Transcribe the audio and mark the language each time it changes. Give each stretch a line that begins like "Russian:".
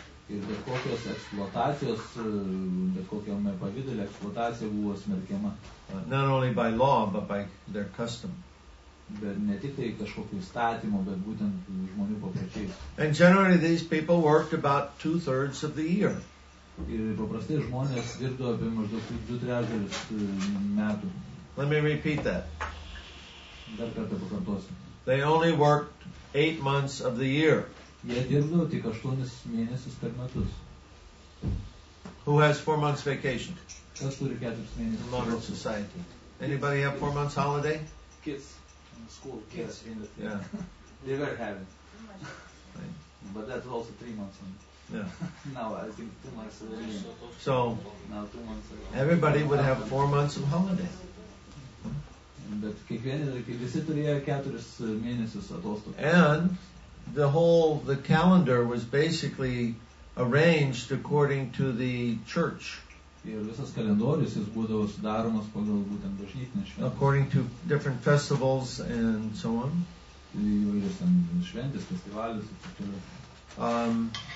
Lithuanian: Ir bet kokios eksploatacijos, bet kokiame pavidelė eksploatacija buvo smerkiama.
English: Not only by law, but by their custom.
Lithuanian: Bet ne tik tai kažkokio įstatymo, bet būtent žmonių papročiais.
English: And generally these people worked about 2/3 of the year.
Lithuanian: Ir paprastai žmonės dirbdo apie maždaug 2/3 metų.
English: Let me repeat that.
Lithuanian: Dar kartą pakartosiu.
English: They only worked 8 months of the year.
Lithuanian: Jie dirbdo tik 8 mėnesius per metus.
English: Who has 4 months vacation?
Lithuanian: Kas turi 4 mėnesius?
English: Modern society. Anybody have 4 months holiday? Kids. School kids. Yeah. In the thing. Yeah. They were having. But that's also 3 months. Yeah. Now I think 2 months. So, now 2 months. Everybody would have 4 months of holiday. But
Lithuanian: visi turėjo 4 mėnesius atostogų.
English: And the calendar was basically arranged according to the church.
Lithuanian: Ir visas kalendorius jis būdavo sudaromas pagal būtent bažnytinę šventę.
English: According to different festivals and so on.
Lithuanian: Įvairius ten šventės, festivalius ir taip toliau.